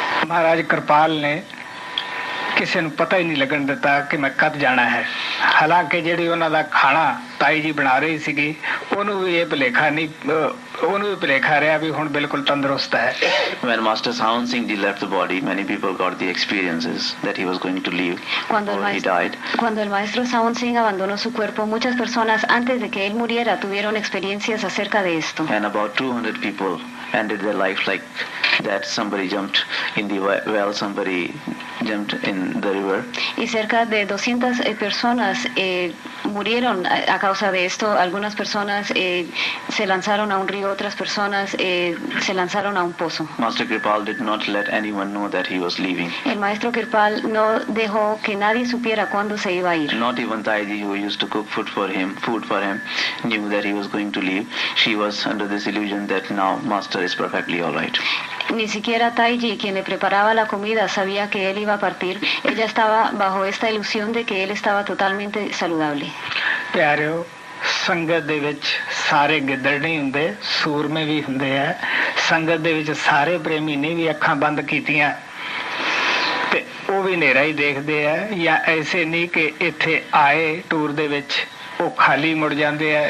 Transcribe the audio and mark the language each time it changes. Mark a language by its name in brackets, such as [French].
[Punjabi] Maharaj Kirpal ne ਕਿਸੇ ਨੂੰ ਪਤਾ ਹੀ ਨਹੀਂ ਲੱਗਣ ਦਿੱਤਾ ਕਿ ਮੈਂ ਕਦ ਜਾਣਾ ਹੈ, ਹਾਲਾਂਕਿ ਜਿਹੜੀ ਉਹਨਾਂ ਦਾ ਖਾਣਾ ਤਾਈ ਜੀ ਬਣਾ ਰਹੀ ਸੀਗੀ ਉਹਨੂੰ ਵੀ ਇਹ ਭੁਲੇਖਾ ਨਹੀਂ ਉਹਨੂੰ ਵੀ ਭੁਲੇਖਾ ਰਿਹਾ ਵੀ ਹੁਣ ਬਿਲਕੁਲ ਤੰਦਰੁਸਤ ਹੈ. [English] When Master Sant Ji left the body, many people got the experiences that he was going to leave. [Spanish] Cuando el maestro Sant Ji abandonó su cuerpo, muchas personas antes de que él muriera tuvieron experiencias acerca de esto. [English] And about 200 people ended their life like that. Somebody jumped in the well, somebody jumped in the river. [Spanish] Y cerca de 200 personas murieron a causa de esto. Algunas personas se lanzaron a un río, otras personas se lanzaron a un pozo. [English] Master Kirpal did not let anyone know that he was leaving. [Spanish] El maestro Kirpal no dejó que nadie supiera cuándo se iba a ir. [English] Not even Sant Ji, who used to cook food for him, knew that he was going to leave. She was under this illusion that now Master is perfectly all right. [Spanish] Ni siquiera Sant Ji, quien le preparaba la comida, sabía que él iba a partir. Ella estaba bajo esta ilusión de que él estaba totalmente saludable. Pero [Punjabi] ਸੰਗਤ ਦੇ ਵਿੱਚ ਸਾਰੇ ਗਿੱਦੜ ਨਹੀਂ ਹੁੰਦੇ, ਸੂਰਮੇ ਵੀ ਹੁੰਦੇ ਆ। ਸੰਗਤ ਦੇ ਵਿੱਚ ਸਾਰੇ ਪ੍ਰੇਮੀ ਨੇ ਵੀ ਅੱਖਾਂ ਬੰਦ ਕੀਤੀਆਂ ਤੇ ਉਹ ਵੀ ਹਨੇਰਾ ਹੀ ਦੇਖਦੇ ਆ, ਜਾਂ ਐਸੇ ਨਹੀਂ ਕਿ ਇੱਥੇ ਆਏ ਟੂਰ ਦੇ ਵਿੱਚ ਉਹ ਖਾਲੀ ਮੁੜ ਜਾਂਦੇ ਆ।